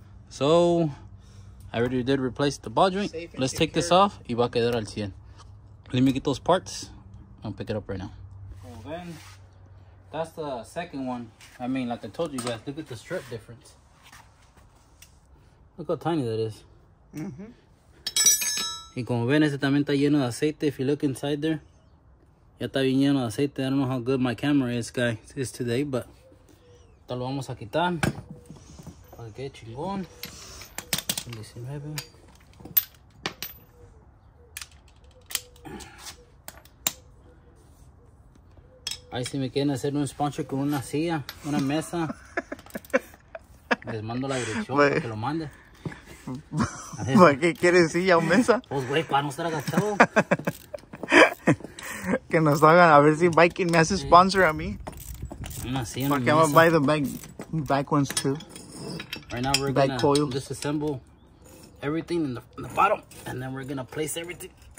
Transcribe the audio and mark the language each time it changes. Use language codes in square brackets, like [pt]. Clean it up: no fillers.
[en] So I already did replace the ball joint. Let's take this off. [es] Y va a quedar al 100. [en] Let me get those parts. I'll pick it up right now. Well, then, that's the second one. I mean, like I told you guys, look at the strip difference. Look how tiny that is. Mm-hmm. [es] Y como ven, ese también está lleno de aceite. [en] If you look inside there, [es] ya está bien lleno de aceite. [en] I don't know how good my camera is, guys, is today, but [es] te lo vamos a quitar. Para que chingón. 19. Ahí si me quieren hacer un sponsor con una silla, una mesa, les mando la dirección para que lo mande. ¿Para qué quieren silla o mesa? Pues güey, para no estar agachado. Que nos hagan, a ver si Viking me hace sponsor a mí. Una silla, una porque mesa. [en] I'm going to buy the back ones too. Right now we're going to disassemble everything in the bottom, and then we're gonna place everything.